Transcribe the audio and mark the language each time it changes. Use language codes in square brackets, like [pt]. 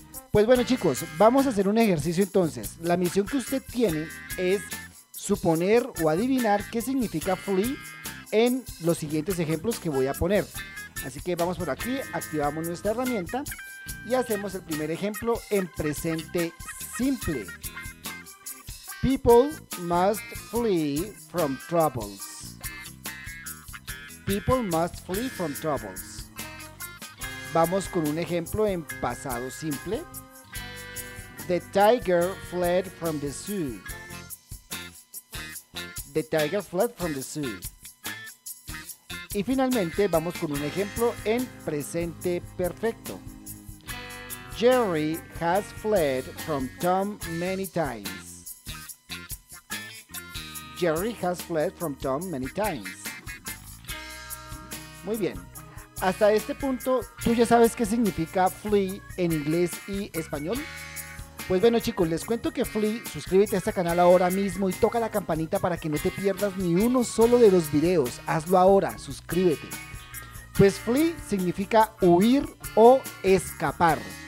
[es] Pues bueno, chicos, vamos a hacer un ejercicio entonces. La misión que usted tiene es suponer o adivinar qué significa flee en los siguientes ejemplos que voy a poner. Así que vamos por aquí, activamos nuestra herramienta y hacemos el primer ejemplo en presente simple. [en] People must flee from troubles. People must flee from troubles. [es] Vamos con un ejemplo en pasado simple. [en] The tiger fled from the zoo. The tiger fled from the zoo. [es] Y finalmente vamos con un ejemplo en presente perfecto. [en] Jerry has fled from Tom many times. Jerry has fled from Tom many times. [es] Muy bien. Hasta este punto, ¿tú ya sabes qué significa flee en inglés y español? Pues bueno, chicos, les cuento que flee, suscríbete a este canal ahora mismo y toca la campanita para que no te pierdas ni uno solo de los videos. Hazlo ahora, suscríbete. Pues flee significa huir o escapar.